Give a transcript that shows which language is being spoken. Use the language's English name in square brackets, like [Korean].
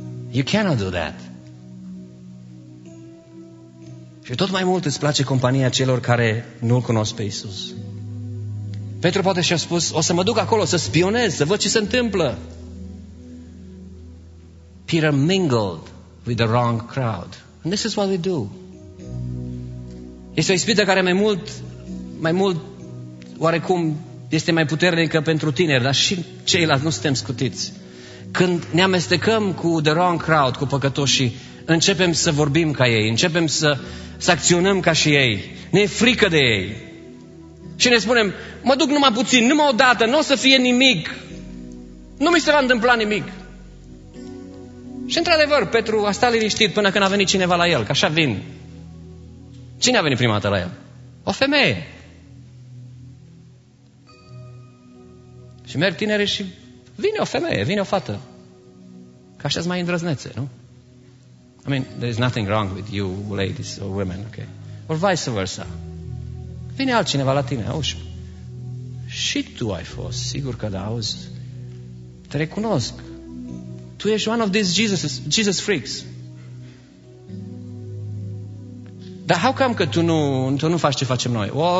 [English] You cannot do that. [Romanian] Și tot mai mult îți place compania celor care nu-L cunosc pe Iisus. Petru poate și-a spus, o să mă duc acolo să spionez, să văd ce se întâmplă. [English] Peter mingled with the wrong crowd. And this is what we do. [Romanian] Este o ispită care mai mult oarecum este mai puternică pentru tineri, dar și ceilalți nu suntem scutiți. Când ne amestecăm cu [English] the wrong crowd, [Romanian] cu păcătoșii, începem să vorbim ca ei, începem să acționăm ca și ei, ne e frică de ei. Și ne spunem, mă duc numai puțin, numai o dată, nu o să fie nimic. Nu mi se va întâmpla nimic. Și într-adevăr, Petru a stat liniștit până când a venit cineva la el, că așa vin. Cine a venit prima dată la el? O femeie. Și merg tineri și vine o femeie, vine o fată. Că așa-s mai îndrăznețe, nu? [English] I mean, there is nothing wrong with you ladies or women, okay? Or vice versa. [Romanian] Vine altcineva la tine, auzi? Și tu ai fost, sigur că da, auzi? Te recunosc. Tu ești [English] one of these Jesus freaks. [Romanian] Dar [English] how come [Romanian] că tu nu faci ce facem noi?